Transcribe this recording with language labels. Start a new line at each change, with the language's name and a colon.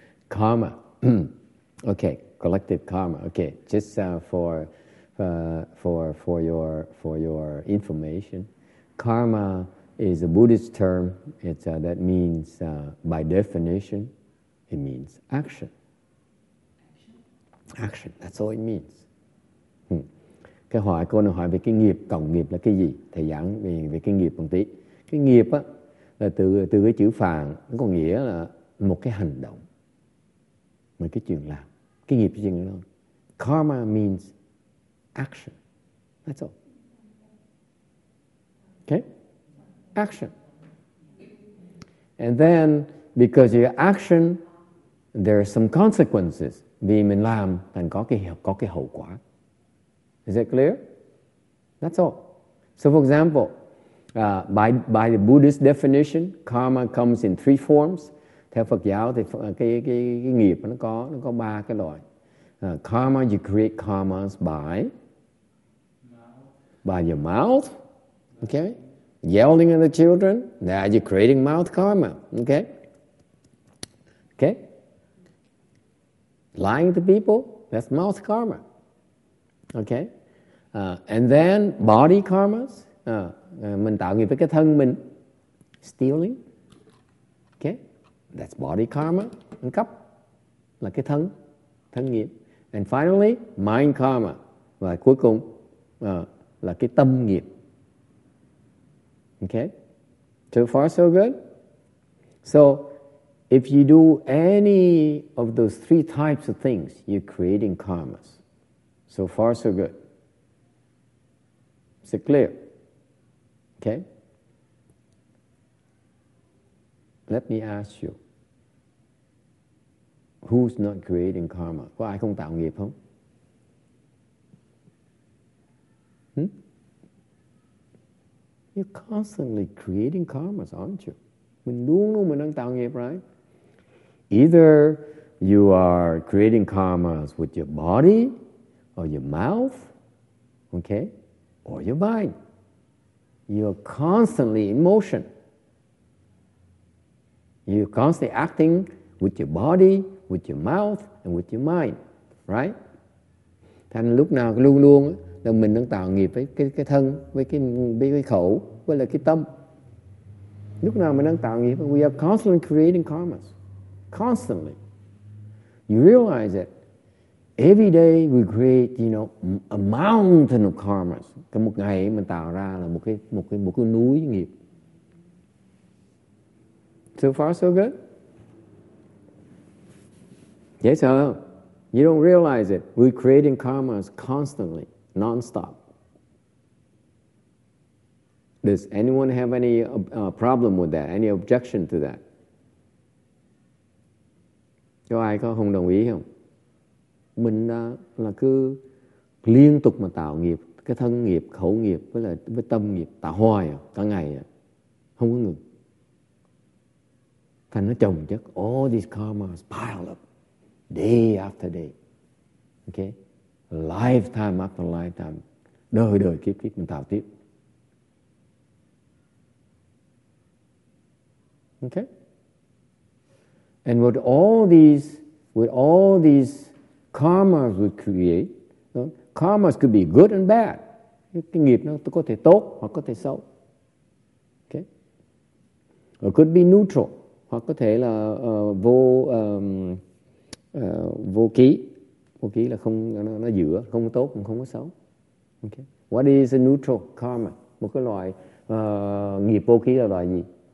English: Karma, okay, collective karma. Okay, just for your information, karma is a Buddhist term. It's that means by definition, it means action. Action. That's all it means.
Vietnamese: Cái hỏi cô nó hỏi về cái nghiệp, cộng nghiệp là cái gì? Thầy giảng về cái nghiệp một tí. Cái nghiệp á là từ cái chữ phạn, nó có nghĩa là một cái hành động. Mấy cái chuyện làm, cái nghiệp chuyện đó.
English: Karma means action. That's all. Okay? Action. And then, because you action, there are some consequences.
Vietnamese: Vì mình làm, thành có cái hậu quả.
English: Is that clear? That's all. So for example, by the Buddhist definition, karma comes in three forms.
Vietnamese: Theo Phật giáo thì cái nghiệp nó có ba cái loại.
English: Karma, you create karmas by your mouth, okay? Yelling at the children, that you're creating mouth karma, okay? Okay? Lying to people, that's mouth karma, okay? And then body karmas,
Vietnamese: mình tạo nghiệp với cái thân mình,
English: stealing. That's body karma.
Vietnamese: Ăn cắp là cái thân, thân nghiệp.
English: And finally, mind karma.
Vietnamese: Và cuối cùng là cái tâm nghiệp.
English: Okay? So far, so good? So, if you do any of those three types of things, you're creating karmas. So far, so good. Is it clear? Okay? Let me ask you. Who's not creating karma?
Vietnamese: Có ai không tạo nghiệp không? Hmm?
English: You're constantly creating karmas, aren't you?
Vietnamese: Mình luôn luôn mình đang tạo nghiệp,
English: right? Either you are creating karmas with your body or your mouth, okay, or your mind. You're constantly in motion. You're constantly acting with your body, with your mouth, and with your mind, right?
Vietnamese: Thành lúc nào luôn luôn là mình đang tạo nghiệp với cái thân, với cái khẩu, với là cái tâm. Lúc nào mình đang tạo nghiệp,
English: we are constantly creating karmas. Constantly. You realize that every day we create, you know, a mountain of karmas.
Vietnamese: Cái một ngày mình tạo ra là một cái núi nghiệp.
English: So far, so good? Yes, sir. You don't realize it. We're creating karmas constantly, non-stop. Does anyone have any problem with that? Any objection to that?
Vietnamese: Có ai có không đồng ý không? Mình là cứ liên tục mà tạo nghiệp, cái thân nghiệp, khẩu nghiệp, với tâm nghiệp, tạo hoài cả ngày, không có ngừng. Thành nó chồng chất,
English: all these karmas pile up, day after day. Okay? Lifetime after lifetime,
Vietnamese: đời đời kiếp kiếp mình tạo tiếp.
English: Okay? And with all these karmas we create, you know, karmas could be good and bad.
Vietnamese: Cái nghiệp nó có thể tốt hoặc có thể xấu. Okay?
English: Or could be neutral,
Vietnamese: hoặc có thể là vô ký. Vô ký là không, nó giữa, không có tốt, không có xấu. Okay?
English: What is a neutral karma?
Vietnamese: Một cái loại nghiệp vô ký là loại gì?